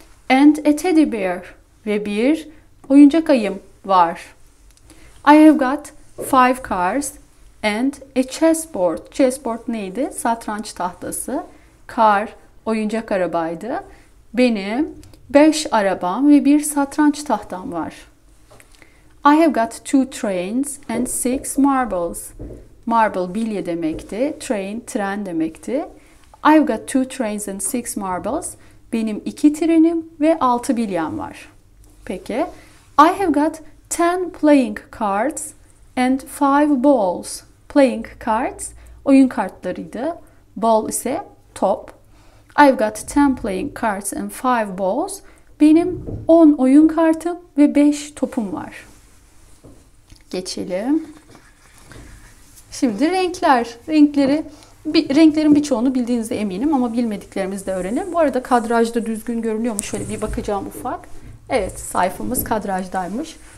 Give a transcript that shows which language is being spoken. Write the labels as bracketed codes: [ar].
[en] And a teddy bear. [tr] Ve bir oyuncak ayım var. [en] I have got five cars. And a chessboard. [tr] Chessboard neydi? Satranç tahtası. Car, oyuncak arabaydı. Benim 5 arabam ve bir satranç tahtam var. [en] I have got 2 trains and 6 marbles. [tr] Marble bilye demekti. Train, tren demekti. [en] I have got 2 trains and 6 marbles. [tr] Benim 2 trenim ve 6 bilyem var. Peki. [en] I have got 10 playing cards and 5 balls. [tr] Playing cards oyun kartlarıydı. Ball ise top. [en] I've got 10 playing cards and 5 balls. [tr] Benim 10 oyun kartım ve 5 topum var. Geçelim. Şimdi renkler. Renklerin birçoğunu bildiğinize eminim ama bilmediklerimizi de öğrenin. Bu arada kadrajda düzgün görünüyor mu? Şöyle bir bakacağım ufak. Evet, sayfamız kadrajdaymış.